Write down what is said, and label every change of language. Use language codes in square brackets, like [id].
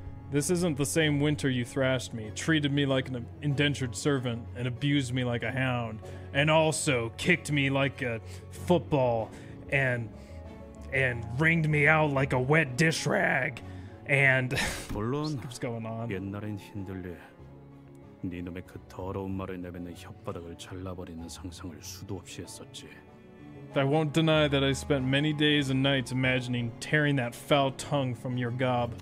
[en] This isn't the same winter you thrashed me, treated me like an indentured servant, and abused me like a hound, and also kicked me like a football and wringed me out like a wet dish rag. And what's going on? [ko] 옛날엔 힘들래. 니놈의 그 더러운 말을 내뱉는 혓바닥을 잘라버리는 상상을 수도 없이 했었지. [en] I won't deny that I spent many days and nights imagining tearing that foul tongue from your gob.